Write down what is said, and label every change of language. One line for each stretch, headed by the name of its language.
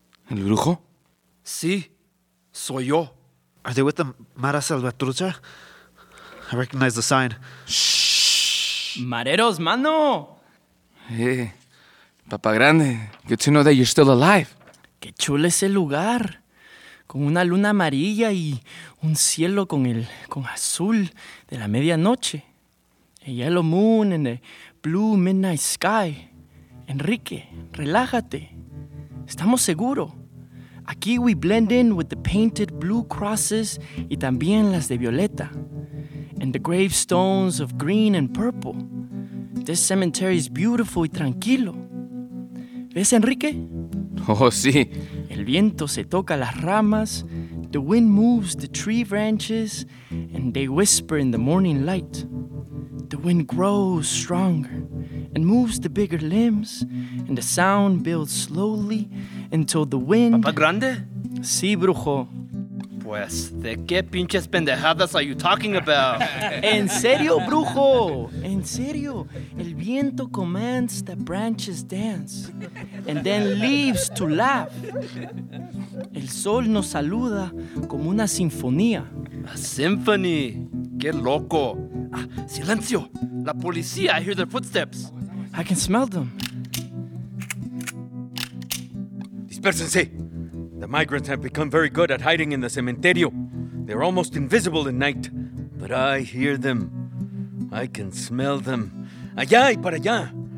Spanish: El brujo? Sí, soy yo.
English: Are they with the Mara Salvatrucha? I recognize the sign. Shh.
Spanish: Mareros, mano.
English: Hey, Papa Grande. Good to know that you're still alive.
Spanish: Qué chulo ese lugar. Con una luna amarilla y un cielo con azul de la medianoche.
English: A yellow moon and a blue midnight sky.
Spanish: Enrique, relájate. Estamos seguros. Aquí
English: we blend in with the painted blue crosses
Spanish: y también las de violeta.
English: And the gravestones of green and purple. This cemetery is beautiful
Spanish: y tranquilo. ¿Ves, Enrique? Oh, sí. El viento se toca las ramas,
English: the wind moves the tree branches, and they whisper in the morning light. The wind grows stronger and moves the bigger limbs, and the sound builds slowly until the wind...
Spanish: ¿Papá Grande? Sí, brujo. Pues, ¿de qué pinches pendejadas
English: are you talking about?
Spanish: ¿En serio, brujo? ¿En serio? El viento
English: commands the branches dance, and then leaves to laugh.
Spanish: El sol nos saluda como una sinfonía.
English: A symphony.
Spanish: ¡Qué loco! Ah, ¡silencio! La policía,
English: I hear their footsteps. I can smell them.
Spanish: Dispersense.
English: The migrants have become very good at hiding in the cementerio. They're almost invisible at night. But I hear them. I can smell them.
Spanish: Allá y para allá.